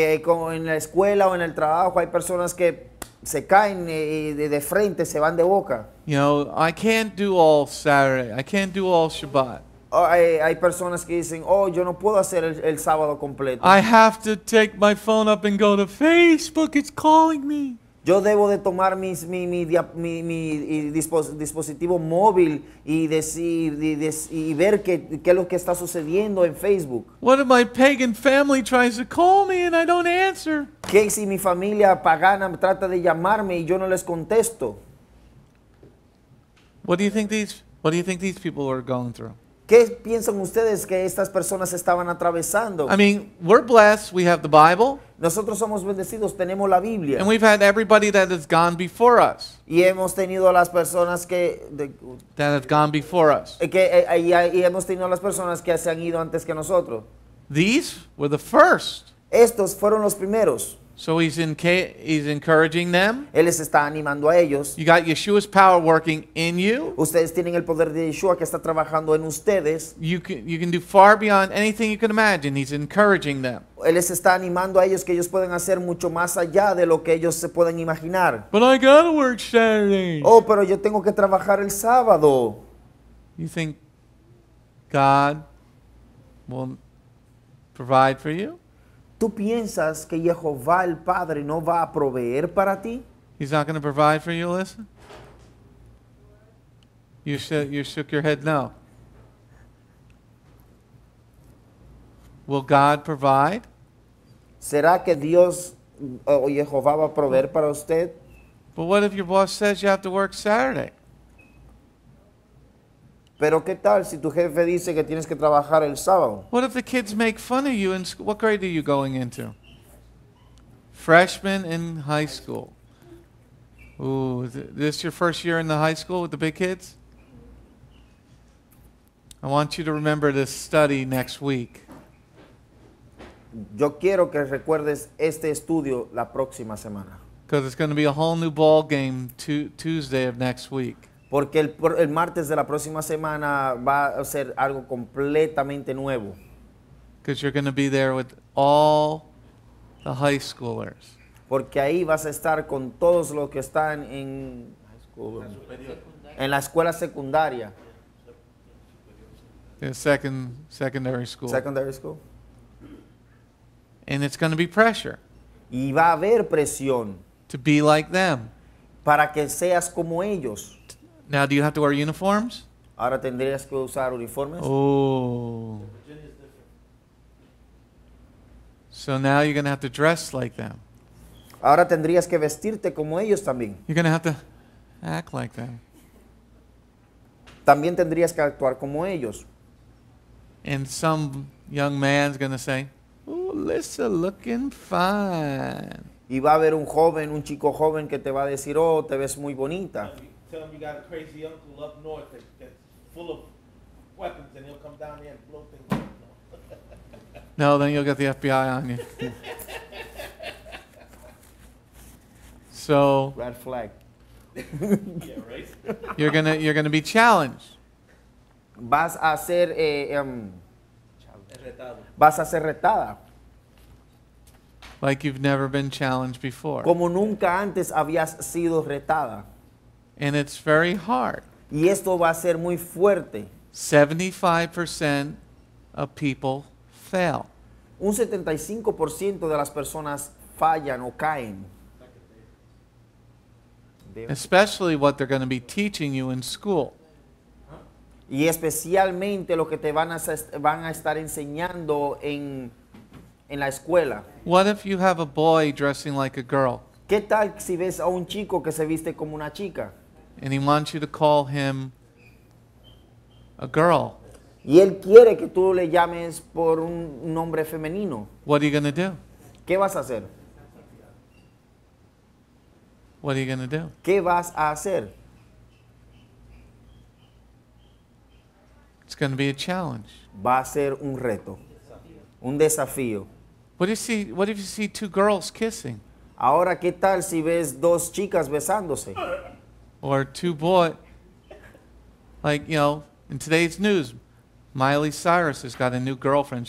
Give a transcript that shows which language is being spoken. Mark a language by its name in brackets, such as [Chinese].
[Spanish] Como en la escuela o en el trabajo, hay personas que se caen de frente, se van de boca. [English] You know, I can't do all Saturday, I can't do all Shabbat. [Spanish] Hay personas que dicen, oh, yo no puedo hacer el sábado completo. [English] I have to take my phone up and go to Facebook. It's calling me. [Spanish] Yo debo de tomar mi dispositivo móvil y ver qué es lo que está sucediendo en Facebook. [English] What if my pagan family tries to call me and I don't answer? [Spanish] ¿Qué si mi familia pagana trata de llamarme y yo no les contesto? [English] What do you think these people are going through? [Spanish] ¿Qué piensan ustedes que estas personas estaban atravesando? [English] I mean, we're blessed, we have the Bible. [Spanish] Nosotros somos bendecidos, tenemos la Biblia. [English] And we've had everybody that has gone before us. [Spanish] Y hemos tenido las personas que [English] that have gone before us. [Spanish] Y hemos tenido las personas que se han ido antes que nosotros. [English] These were the first. [Spanish] Estos fueron los primeros. [English] So he's encouraging them. [Spanish] Él les está animando a ellos. [English] You got Yeshua's power working in you. [Spanish] Ustedes tienen el poder de Yeshua que está trabajando en ustedes. [English] You can do far beyond anything you can imagine. He's encouraging them. [Spanish] Él les está animando a ellos que ellos pueden hacer mucho más allá de lo que ellos se pueden imaginar. [English] But I gotta work Saturday. [Spanish] Oh, pero yo tengo que trabajar el sábado. [English] You think God will provide for you? [Spanish] ¿Tú piensas que Jehová el Padre no va a proveer para ti? [English] He's not going to provide for you, Alyssa? You shook your head no. Will God provide? [Spanish] ¿Será que Dios o Jehová va a proveer para usted? [English] But what if your boss says you have to work Saturday? [Spanish] Pero qué tal si tu jefe dice que tienes que trabajar el sábado? [English] What if the kids make fun of you in school? What grade are you going into? Freshman in high school. Ooh, this your first year in the high school with the big kids? I want you to remember this study next week. [Spanish] Yo quiero que recuerdes este estudio la próxima semana. [English] Because it's going to be a whole new ball game Tuesday of next week. [Spanish] Porque el martes de la próxima semana va a ser algo completamente nuevo. [English] Because you're going to be there with all the high schoolers. [Spanish] Porque ahí vas a estar con todos los que están en [English] high [Spanish] En la escuela secundaria. [English] In secondary school. Secondary school. And it's going to be pressure. [Spanish] Y va a haber presión. [English] To be like them. [Spanish] Para que seas como ellos. [English] Now, do you have to wear uniforms? [Spanish] Ahora tendrías que usar uniformes. Oh. [English] So now you're going to have to dress like them. [Spanish] Ahora tendrías que vestirte como ellos también. [English] You're going to have to act like them. [Spanish] También tendrías que actuar como ellos. [English] And some young man's going to say, "Oh, Lisa, looking fine." [Spanish] Y va a haber un joven, un chico joven que te va a decir, "Oh, te ves muy bonita." [English] Tell him you got a crazy uncle up north that's full of weapons, and he'll come down there and blow things up. No, then you'll get the FBI on you. So red flag. Yeah, right. You're gonna be challenged. [Spanish] Vas a ser vas a ser retada. [English] Like you've never been challenged before. [Spanish] Como nunca antes habías sido retada. [English] And it's very hard. [Spanish] Y esto va a ser muy fuerte. [English] 75% of people fail. [Spanish] Un 75% de las personas fallan o caen. [English] Especially what they're going to be teaching you in school. [Spanish] Y especialmente lo que te van a estar enseñando en la escuela. [English] What if you have a boy dressing like a girl? [Spanish] ¿Qué tal si ves a un chico que se viste como una chica? [English] And he wants you to call him a girl. [Spanish] Y él quiere que tú le llames por un nombre femenino. [English] What are you going to do? [Spanish] ¿Qué vas a hacer? [English] What are you going to do? [Spanish] ¿Qué vas a hacer? [English] It's going to be a challenge. [Spanish] Va a ser un reto. Un desafío. [English] What if you see two girls kissing? [Spanish] Ahora, ¿qué tal si ves dos chicas besándose? [English] Or two boys. Like, you know, in today's news, Miley Cyrus has got a new girlfriend.